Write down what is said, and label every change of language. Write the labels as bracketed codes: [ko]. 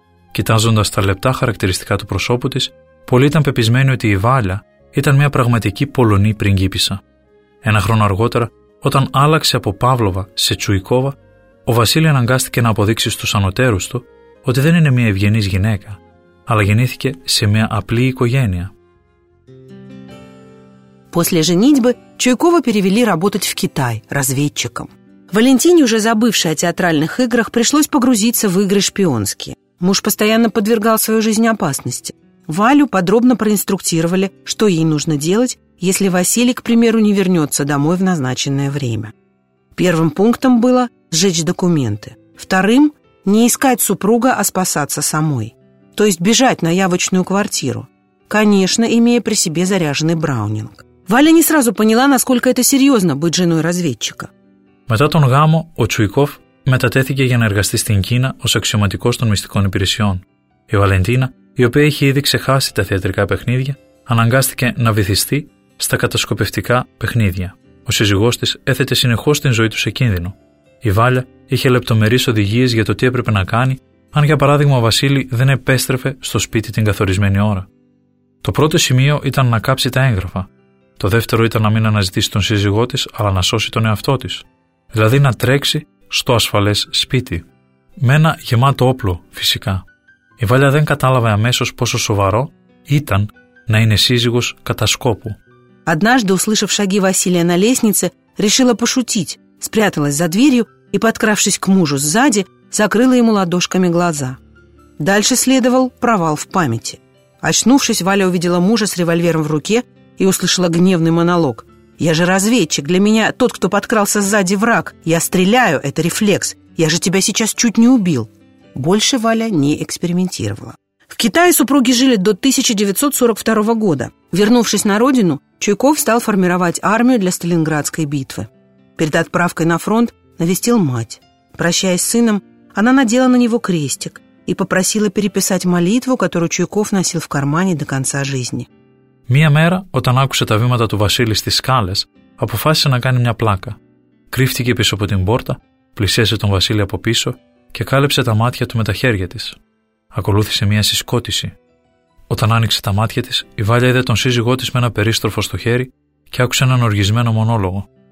[el] Κοιτάζοντας τα λεπτά χαρακτηριστικά του προσώπου της, πολλοί ήταν πεπισμένοι ότι η Βάλια ήταν μια πραγματική Πολωνή πριγκίπισσα. Ένα χρόνο αργότερα, όταν άλλαξε από Παύλοβα σε Τσουϊκόβα, ο Βασίλη αναγκάστηκε να αποδείξει στους ανωτέρους του ότι δεν είναι μια ευγενής γυναίκα, αλλά γεννήθηκε σε μια απλή οικογένεια. [ru] После женитьбы Чуйкова перевели работать в Китай разведчиком. Валентине, уже забывшей о театральных играх, пришлось погрузиться в игры шпионские. Муж постоянно подвергал свою жизнь опасности. Валю подробно проинструктировали, что ей нужно делать, если Василий, к примеру, не вернется домой в назначенное время. Первым пунктом было сжечь документы. Вторым – не искать супруга, а спасаться самой. То есть бежать на явочную квартиру. Конечно, имея при себе заряженный браунинг. Валя не сразу поняла, насколько это серьезно – быть женой разведчика. [el] Μετά τον γάμο, ο Τσουϊκόφ μετατέθηκε για να εργαστεί στην Κίνα ως αξιωματικός των μυστικών υπηρεσιών. Η Βαλεντίνα, η οποία είχε ήδη ξεχάσει τα θεατρικά παιχνίδια, αναγκάστηκε να βυθιστεί στα κατασκοπευτικά παιχνίδια. Ο σύζυγός της έθετε συνεχώς την ζωή του σε κίνδυνο. Η Βάλια είχε λεπτομερείς οδηγίες για το τι έπρεπε να κάνει, αν για παράδειγμα ο Βασίλη δεν επέστρεφε στο σπίτι την καθορισμένη ώρα. Το πρώτο σημείο ήταν να κάψει τα έγγραφα. Το δεύτερο ήταν να μην αναζητήσει τον σύζυγό της, αλλά να σώσει τον εαυτό της. Δηλαδή να τρέξει στο ασφαλές σπίτι. Με ένα γεμάτο όπλο, φυσικά. Η Βάλια δεν κατάλαβε αμέσως πόσο σοβαρό ήταν να είναι σύζυγος κατά σκόπου. [ru] Однажды, услышав шаги Василия на лестнице, решила пошутить, спряталась за дверью и, подкравшись к мужу сзади, закрыла ему ладошками глаза. Дальше следовал провал в памяти. Очнувшись, Валя увидела мужа с револьвером в руке и услышала гневный монолог. «Я же разведчик, для меня тот, кто подкрался сзади, враг. Я стреляю, это рефлекс. Я же тебя сейчас чуть не убил». Больше Валя не экспериментировала. В Китае супруги жили до 1942 года. Вернувшись на родину, Чуйков стал формировать армию для Сталинградской битвы. Перед отправкой на фронт навестил мать. Прощаясь с сыном, она надела на него крестик и попросила переписать молитву, которую Чуйков носил в кармане до конца жизни. [el] Мия мэра, όταν άκουσε τα βήματα του Βασίλη στις σκάλες, αποφάσισε να κάνει μια πλάκα. Κρύφτηκε πίσω από την πόρτα, πλησίασε τον Βασίλη από πίσω και κάλεψε τα μάτια του με τα χέρια της. Ακολούθησε μια συσκότηση. Όταν άνοιξε τα μάτια της, η Βάλια είδε τον σύζυγό της με ένα περίστροφο στο χέρι και άκουσε έναν οργισμένο μονόλογο.